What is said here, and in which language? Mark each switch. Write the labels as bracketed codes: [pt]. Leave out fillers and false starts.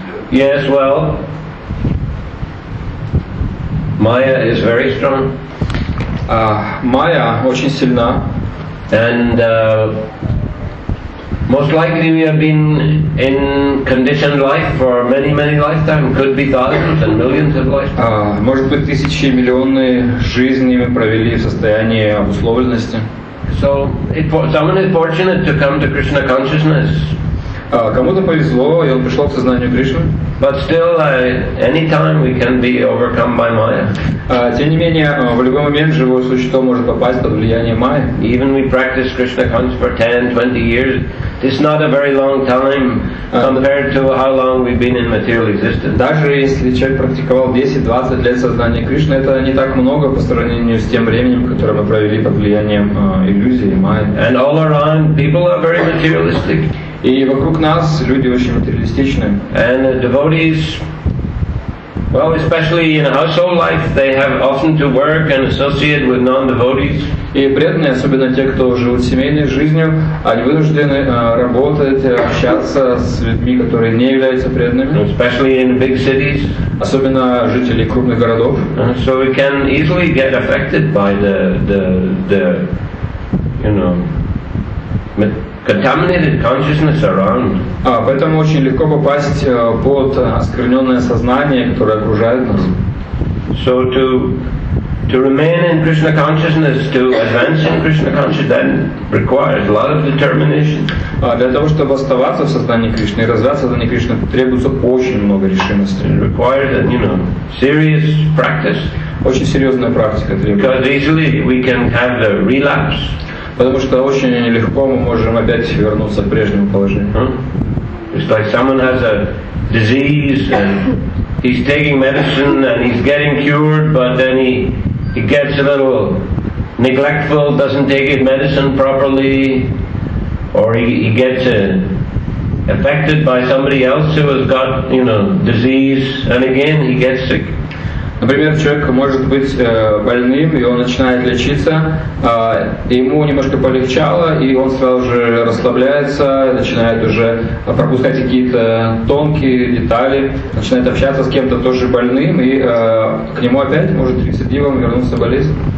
[en] Yes, well, Maya is very strong. [ru] Maya очень сильна. [en] And most likely we have been in conditioned life for many, many lifetimes. Could be thousands and millions of lifetimes. [ru] Может быть, тысячи, миллионы жизней мы провели в состоянии обусловленности. [en] So, someone is fortunate to come to Krishna consciousness. [ru] Кому-то повезло, и он пришел к сознанию Кришны. [en] But still, anytime we can be overcome by Maya. [ru] Тем не менее, в любой момент живое существо может попасть под влияние Майи. [en] Even we practice Krishna consciousness for 10-20 years, it's not a very long time compared to how long we've been in material existence. [ru] Даже если человек практиковал 10-20 лет сознания Кришны, это не так много по сравнению с тем временем, которое мы провели под влиянием иллюзии Майи. [en] And all around, people are very materialistic. [ru] И вокруг нас люди очень материалистичны. [en] And the devotees, well, especially in household life, they have often to work and associate with non-devotees. [ru] И преданные, особенно те, кто живут семейной жизнью, они вынуждены работать, общаться с людьми, которые не являются преданными. [en] Especially in big cities. [ru] Особенно жители крупных городов. [en] So we can easily get affected by the you know, contaminated consciousness around. [ru] Поэтому очень легко попасть под оскверненное сознание, которое окружает нас. [en] So to remain in Krishna consciousness, to advance in Krishna consciousness, that requires a lot of determination. [ru] Для того, чтобы оставаться в сознании Кришны и развиваться в сознании Кришны, требуется очень много решимости. [en] It requires that, you know, serious practice. [ru] Очень серьезная практика требуется. [en] Because easily we can have a relapse. [ru] Потому что очень легко мы можем опять вернуться к прежнему положению. [en] It's like someone has a disease and he's taking medicine and he's getting cured, but then he gets a little neglectful, doesn't take his medicine properly, or he gets affected by somebody else who has got, you know, disease, and again he gets sick. [ru] Например, человек может быть больным, и он начинает лечиться, ему немножко полегчало, и он сразу же расслабляется, начинает уже пропускать какие-то тонкие детали, начинает общаться с кем-то тоже больным, и к нему опять может рецидивом вернуться болезнь.